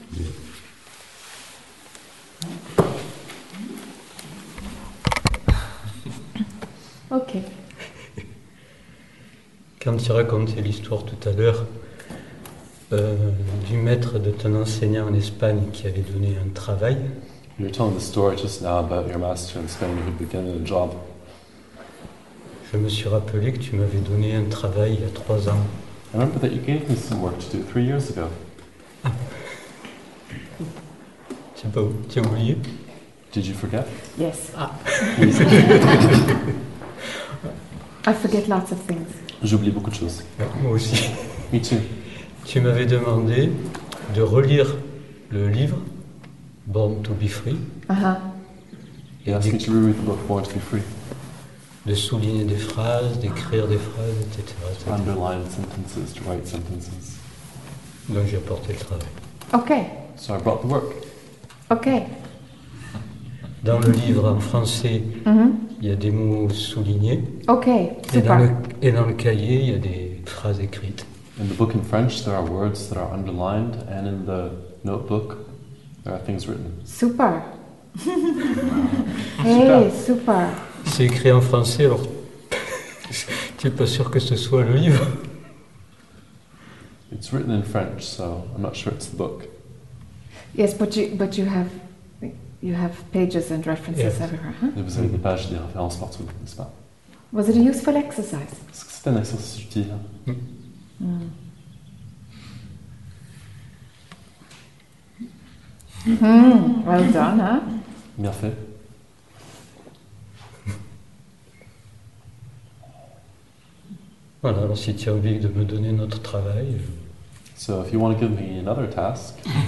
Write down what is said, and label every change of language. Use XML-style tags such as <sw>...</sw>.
<en>Yeah. Okay.</en> <fr>Quand tu racontais l'histoire tout à l'heure du maître de ton enseignant en Espagne qui avait donné un travail.</fr> <en>You're telling the story just now about your master in Spain who began a job.</en> <fr>Je me suis rappelé que tu m'avais donné un travail il y a 3 ans.</fr> <en>I remember that you gave me some work to do 3 years ago.</en> <fr>Tu as oublié?</fr> <en>Did you forget? Yes. Ah. I forget lots of things.</en> <fr>J'oublie beaucoup de choses. Moi aussi.</fr> <en>Me too.</en> <fr>Tu m'avais demandé de relire le livre Born to be Free. Uh-huh.</fr> <en>You asked me to reread the book Born to be Free.</en> <fr>de souligner des phrases, d'écrire des phrases, etc.</fr> <en>Underline sentences, to write sentences.</en> <fr>Donc j'ai apporté le travail.</fr> <en>Ok. So I brought the work. Ok.</en> <fr>Dans le livre en français, il y a des mots soulignés.</fr> <en>Ok, super.</en> <fr>Et dans le cahier, il y a des phrases écrites.</fr> <en>In the book in French, there are words that are underlined, and in the notebook, there are things written. Super. Hey, super.</en> <fr>C'est écrit en français, alors tu n'es pas sûr que ce soit le livre.</fr> <en>It's written in French, so I'm not sure it's the book. Yes, but you have pages and references everywhere, huh?</en> <fr>Vous avez des pages, des références partout, n'est-ce pas?</fr> <en>Was it a useful exercise?</en> <fr>Est-ce que c'était un exercice utile? Hein?</fr> <en>Well done, huh?</en> <fr>Bien fait. Voilà, alors si tu as envie de me donner un autre travail...</fr> <en>So, if you want to give me another task...</en>